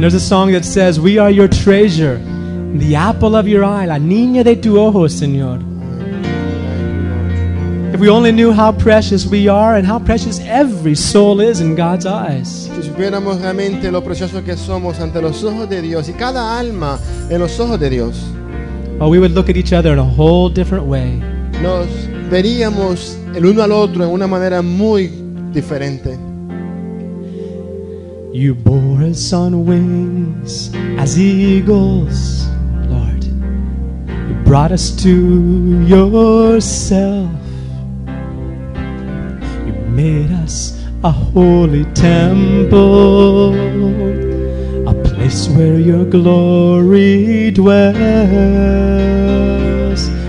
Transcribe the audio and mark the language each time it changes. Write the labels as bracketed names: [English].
[English] There's a song that says, "We are your treasure, the apple of your eye, [Spanish] la niña de tu ojo, Señor." [English] If we only knew how precious we are and how precious every soul is in God's eyes. [Spanish] Si supiéramos realmente lo precioso que somos ante los ojos de Dios y cada alma en los ojos de Dios. [English] Oh, we would look at each other in a whole different way. [Spanish] Nos veríamos el uno al otro en una manera muy diferente. [English] You bore us on wings as eagles, Lord. You brought us to yourself. Made us a holy temple, a place where your glory dwells.